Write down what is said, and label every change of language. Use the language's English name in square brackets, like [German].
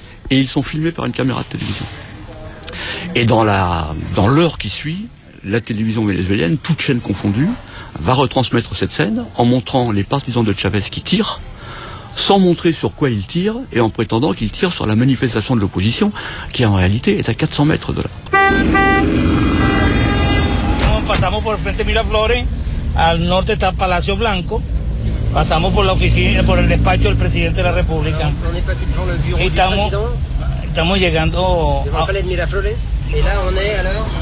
[French] Et ils sont filmés par une caméra de télévision. Et dans l'heure qui suit, la télévision vénézuélienne, toute chaîne confondue, va retransmettre cette scène en montrant les partisans de Chavez qui tirent, sans montrer sur quoi ils tirent et en prétendant qu'ils tirent sur la manifestation de l'opposition qui en réalité est à 400 mètres de là. [Spanish] Pasamos por el frente Miraflores, al norte está Palacio Blanco, pasamos por la oficina, por el despacho del presidente de la República. Estamos llegando [French] devant a Palais de Miraflores, y là on est alors